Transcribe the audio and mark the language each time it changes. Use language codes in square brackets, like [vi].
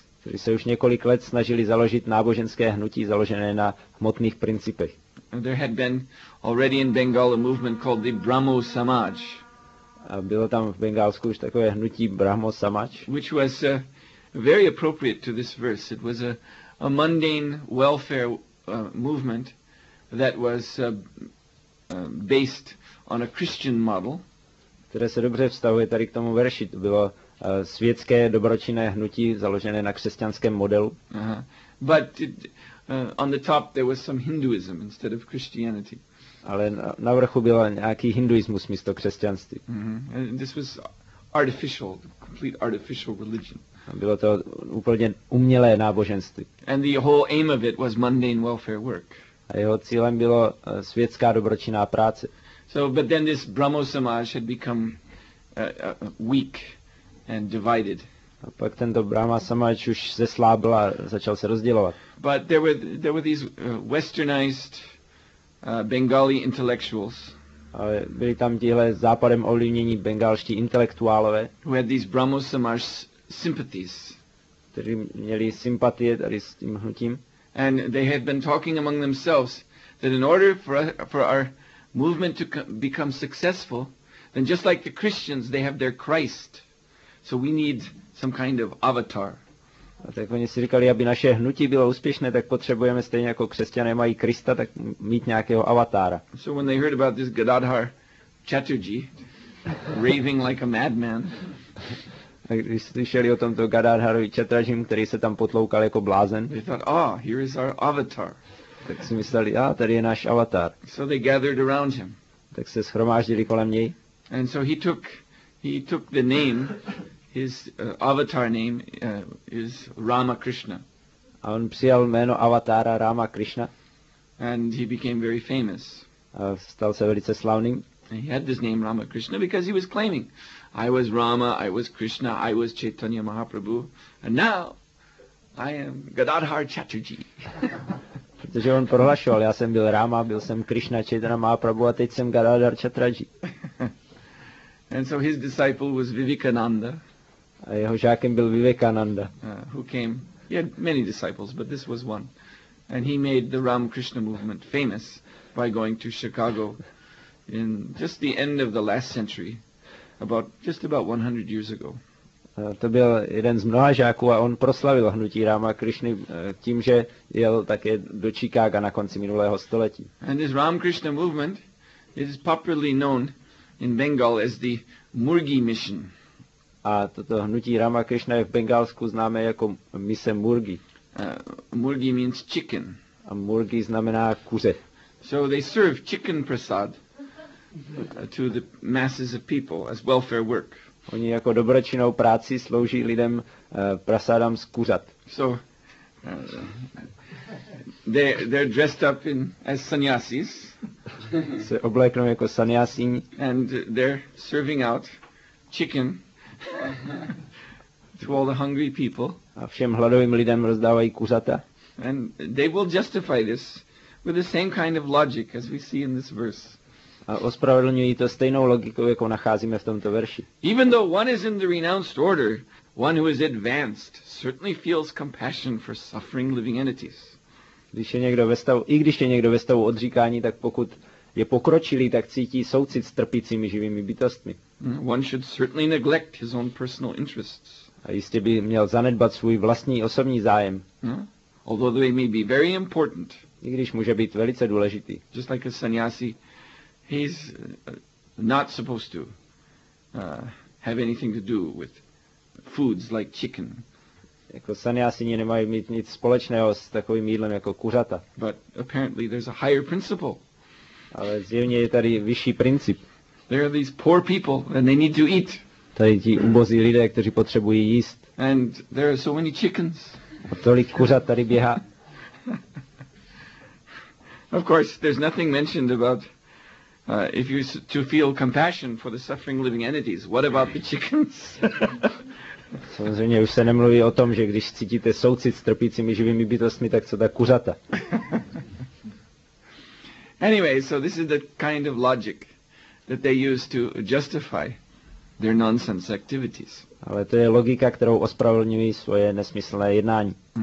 [cs] Kteří se už několik let snažili založit náboženské hnutí založené na hmotných principech. [en] There had been already in Bengal a movement called the Brahmo Samaj. [cs] A bylo tam v Bengálsku už takové hnutí Brahmo Samaj. [en] Which was very appropriate to this verse. It was a mundane welfare movement that was based on a Christian model. [cs] Které se dobře vztahuje tady k tomu verši. To bylo světské dobročinné hnutí založené na křesťanském modelu. [en] But on the top there was some Hinduism instead of Christianity. [cs] Ale na vrchu byl nějaký hinduismus místo křesťanství. [en] This was artificial, complete artificial religion. [cs] Bylo to úplně umělé náboženství. [en] And the whole aim of it was mundane welfare work. [cs] A jeho cílem bylo světská dobročinná práce. [en] So but then this Brahmo Samaj had become weak and divided. [cs] A pak tento Brahma Samaj už zeslábl a začal se rozdělovat. [en] But there were these westernized Bengali intellectuals. [cs] Ale byli tam tihle západem ovlivnění bengalští intelektuálové. [en] Who had these Brahmo Samaj sympathies. [cs] Kteří měli sympatie tady s tím hnutím. [en] And they had been talking among themselves that in order for our movement to become successful, then just like the Christians, they have their Christ. So we need some kind of avatar. [cs] A tak oni si říkali, aby naše hnutí bylo úspěšné, tak potřebujeme stejně jako křesťané mají Krista, tak mít nějakého avatára. [en] So when they heard about this Gadadhar Chatterjee raving like a madman. [cs] Tak když slyšeli o tomto Gadadharovi Chatterjeem, který se tam potloukal jako blázen. [en] They thought, ah, here is our avatar. [cs] Tak si mysleli, ah, tady je náš avatar. [en] So they gathered around him. [cs] Tak se shromáždili kolem něj. [en] And so he took the name, his avatar name is Ramakrishna. [cs] A on přijal jméno avatára Ramakrishna. [en] And he became very famous. [cs] A stal se velice slavným. [en] And he had this name Ramakrishna because he was claiming, I was Rama, I was Krishna, I was Chaitanya Mahaprabhu, and now I am Gadadhar Chatterjee. [cs] Protože on prohlašoval, já jsem byl Rama, byl jsem Krishna, Chaitanya Mahaprabhu a teď jsem Gadadhar Chatterjee. [en] And so his disciple was Vivekananda. [cs] A jeho žákem byl Vivekananda. [en] Who came? He had many disciples, but this was one. And he made the Ramakrishna movement famous by going to Chicago in just the end of the last century, about 100 years ago. [cs] To byl jeden z mnoha žáků a on proslavil hnutí Ramakrishny tím, že jel také do Chicaga na konci minulého století. [en] And this Ramakrishna movement is popularly known in Bengal as the Murgi mission. [cs] A toto hnutí Ramakrishna je v Bengalsku známé jako mise Murgi. [en] Murgi means chicken. [cs] A Murgi znamená kuře. [en] So they serve chicken prasad to the masses of people as welfare work. [cs] Oni jako dobročinnou práci slouží lidem prasádám z kuřat. [en] So, they're dressed up in as sannyasis. [cs] Se obléknou jako sannyasíni. [en] And they're serving out chicken to all the hungry people. [cs] A všem hladovým lidem rozdávají kuřata. [en] And they will justify this with the same kind of logic as we see in this verse. [cs] A ospravedlňují to stejnou logikou, jakou nacházíme v tomto verši. [en] Even though one is in the renounced order, one who is advanced certainly feels compassion for suffering living entities. [cs] Když je někdo ve stavu, i když je někdo ve stavu odříkání, tak pokud je pokročilý, tak cítí soucit s trpícími živými bytostmi. [en] One should certainly neglect his own personal interests. [cs] A jistě by měl zanedbat svůj vlastní osobní zájem. [en] Although they may be very important. [cs] I když může být velice důležitý. [en] Just like a sannyasi, he's not supposed to have anything to do with foods like chicken. [cs] Jako sannyasini nemají mít nic společného s takovým jídlem jako kuřata. [en] But apparently there's a higher principle. [cs] Ale zjevně je tady vyšší princip. [en] There are these poor people and they need to eat. [cs] Tady ti ubozí lidé, kteří potřebují jíst. [en] And there are so many chickens. [cs] A tolik kuřat tady běhá. [en] Of course, there's nothing mentioned about if you to feel compassion for the suffering living entities. What about the chickens? [cs] Samozřejmě už se nemluví o tom, že když cítíte soucit s trpícími živými bytostmi, tak co ta kuřata. [en] Anyway, so this is the kind of logic that they use to justify their nonsense activities. [cs] Ale to je logika, kterou ospravedlňují svoje nesmyslné jednání.